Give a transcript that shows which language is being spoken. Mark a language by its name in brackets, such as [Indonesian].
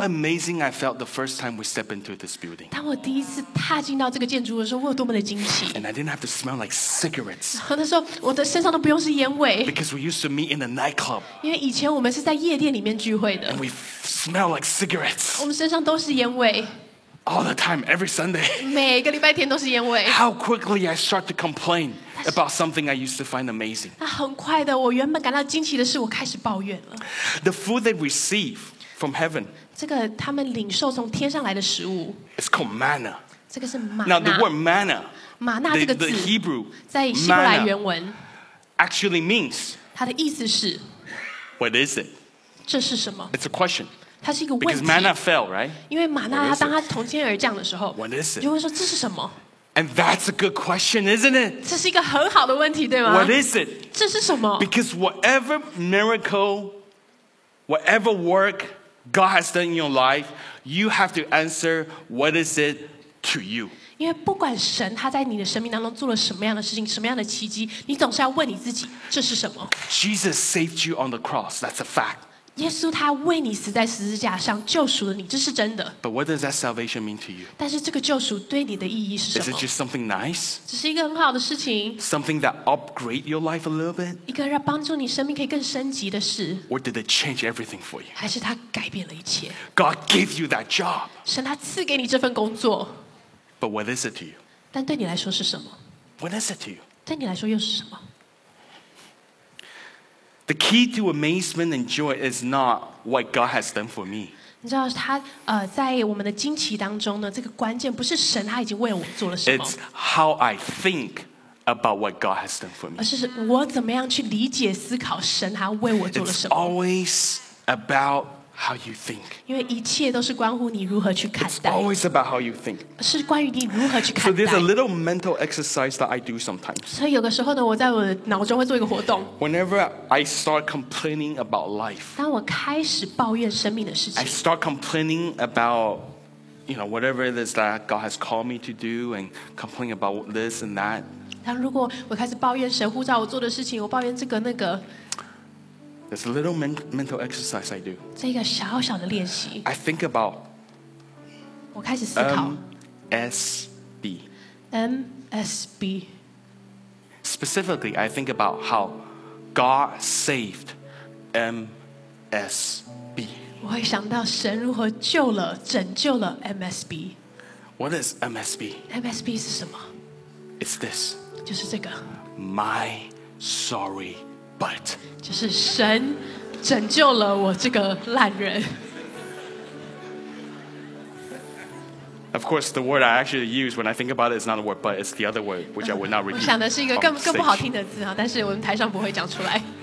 [English] ，How amazing I felt the first time we stepped into this building. [Chinese] 当我第一次踏进到这个建筑的时候，我有多么的惊奇。 [English] And I didn't have to smell like cigarettes. [Chinese] 那时候我的身上都不用是烟味。 [English] Because we used to meet in a nightclub. [Chinese] 因为以前我们是在夜店里面聚会的。 [English] And we smell like cigarettes. [Chinese] 我们身上都是烟味。 [English] All the time, every Sunday. [Chinese] 每个礼拜天都是烟味。 [English] How quickly I start to complain. About something I used to find amazing. [Chinese] 那很快的，我原本感到惊奇的事，我开始抱怨了。 [English] The food they receive. from heaven. [Chinese] 这个他们领受从天上来的食物。 [English] It's called manna. [Chinese] 这个是玛纳。 [English] Now the word manna. [Chinese] 玛纳这个字。 [English] The Hebrew. [Chinese] 在希伯来原文。 [English] Actually means. [Chinese] 它的意思是。 [English] What is it? [Chinese] 这是什么？ [English] It's a question. [Chinese] 它是一个问题。 [English] Because manna fell, right? [Chinese] 因为玛纳它当它从天而降的时候。 [English] What is it? [Chinese] 就会说这是什么？ [English] And that's a good question, isn't it? [Chinese] 这是一个很好的问题，对吗？ [English] What is it? [Chinese] 这是什么？ [English] Because whatever miracle, whatever work God has done in your life, you have to answer what is it to you. [Chinese] 因为不管神他在你的生命当中做了什么样的事情，什么样的奇迹，你总是要问你自己，这是什么？ [English] Jesus saved you on the cross. That's a fact. [Chinese] 耶稣他为你死在十字架上，救赎了你，这是真的。 [English] But what does that salvation mean to you? [Chinese] 但是这个救赎对你的意义是什么？ [English] Is it just something nice? [Chinese] 只是一个很好的事情。 [English] Something that upgrade your life a little bit? [Chinese] 一个让帮助你生命可以更升级的事。 [English] Or did it change everything for you? [Chinese] 还是他改变了一切。 [English] God gave you that job. [Chinese] 神他赐给你这份工作。 [English] But what is it to you? [Chinese] 但对你来说是什么？ [English] What is it to you? [Chinese] 对你来说又是什么？ [English] The key to amazement and joy is not what God has done for me. [Chinese] 你知道他在我们的惊奇当中呢，这个关键不是神他已经为我做了什么。 [English] It's how I think about what God has done for me. [Chinese] 而是我怎么样去理解思考神他为我做了什么。 [English] It's always about how you think. [Chinese] 因为一切都是关乎你如何去看待。 [English] It's always about how you think. [Chinese] 是关于你如何去看待。 [English] So there's a little mental exercise that I do sometimes. [Chinese] 所以有的时候呢，我在我的脑中会做一个活动。 [English] Whenever I start complaining about life, [Chinese] 当我开始抱怨生命的事情。 [English] I start complaining about, you know, whatever it is that God has called me to do and complain about this and that. [Chinese] 当如果我开始抱怨神呼召我做的事情，我抱怨这个那个。 [English] There's a little mental exercise I do. [Chinese] 这个小小的练习。 [English] I think about. [Chinese] 我开始思考。 [English] MSB. MSB. Specifically, I think about how God saved MSB. [Chinese] 我会想到神如何救了、拯救了 MSB. [English] What is MSB? [Chinese] MSB 是什么？ [English] It's this. [Chinese] 就是这个。 [English] My sorry. But [Chinese] 就是神拯救了我这个烂人。 [English] Of course, the word I actually use when I think about it is not a word, but it's the other word which I would not repeat. [Chinese] 我想的是一个更不好听的字啊，但是我们台上不会讲出来。